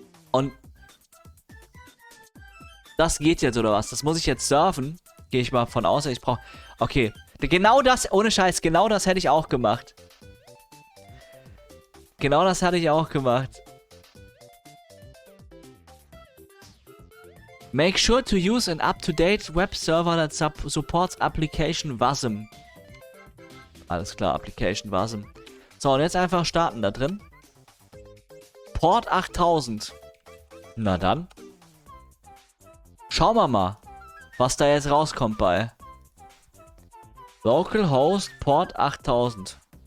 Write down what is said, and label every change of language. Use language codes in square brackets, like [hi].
[de] Und das geht jetzt, oder was? Das muss ich jetzt surfen. Gehe ich mal von aus. Ich brauche. Okay. Genau das, ohne Scheiß, genau das hätte ich auch gemacht. Genau das hatte ich auch gemacht. [en] Make sure to use an up-to-date web server that supports application Wasm. [de] Alles klar, application Wasm. So, und jetzt einfach starten da drin. Port 8000. Na dann. Schauen wir mal, was da jetzt rauskommt bei. Localhost Port 8000.